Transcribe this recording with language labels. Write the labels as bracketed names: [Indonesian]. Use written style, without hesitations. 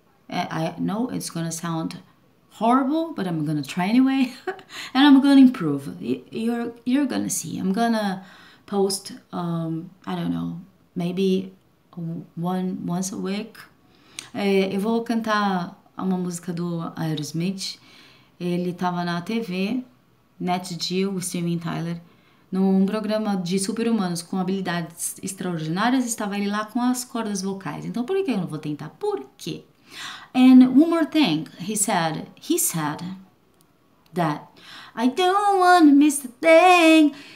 [English] I know it's gonna sound horrible, but I'm gonna try anyway, and I'm gonna improve. You're gonna see. I'm gonna post, I don't know, maybe once a week. [Portuguese] Eu vou cantar uma música do Aerosmith. Ele tava na TV, Nat Geo, Steven Tyler, num programa de super-humanos com habilidades extraordinárias. Estava ele lá com as cordas vocais. Então, por que eu não vou tentar? Por quê? [English] And one more thing, he said that I don't want to miss a thing.